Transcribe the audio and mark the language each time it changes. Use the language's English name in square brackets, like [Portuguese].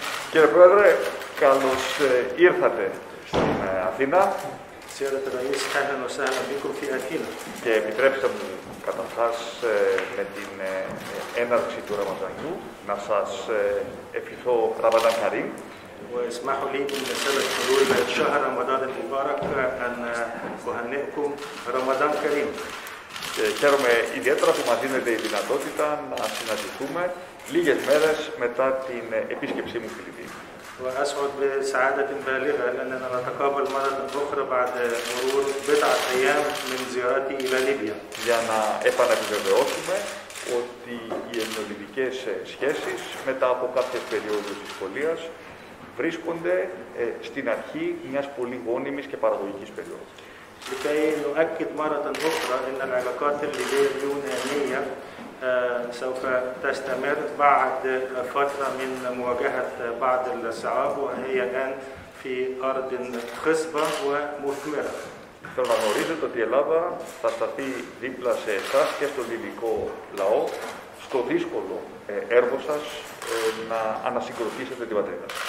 [Greek] Κύριε Πρόεδρε, καλώς ήρθατε στην Αθήνα. Ξέρετε να είσαι κανένα άλλο μήκο και Αθήνα. Και επιτρέψτε μου καταρχάς με την έναρξη του Ραμαζανιού να σας ευχηθώ Ραμαδάν Καρίμ. [Arabic] واسمحوا لي ان اسالك حضور شهر رمضان المبارك ان اهنئكم رمضان كريم. [Greek] Χαίρομαι ιδιαίτερα που μας δίνεται η δυνατότητα να συναντηθούμε λίγες μέρες μετά την επίσκεψή μου στη Λιβύη. [Arabic] وأسعد بسعادة بالغة لأننا نتقابل مرة أخرى بعد مرور بضعة أيام من زيارتي إلى ليبيا. [Greek] Για να επαναβεβαιώσουμε ότι οι ελληνολιβικές σχέσεις μετά από κάποιες περιόδους δυσκολίας βρίσκονται στην αρχή μιας πολύ γόνιμης και παραγωγικής περίοδος. [Arabic] لكي نؤكد مرة أخرى أن العلاقات الليبية-اليونانية سوف تستمر بعد فترة من مواجهة بعض الصعاب وهي الآن في أرض خصبة ومثمرة. [Greek] Θέλω να γνωρίζετε ότι η Ελλάδα θα σταθεί δίπλα σε εσάς και στον λιβικό λαό στο δύσκολο έργο σας να ανασυγκροτήσετε την πατρίδα.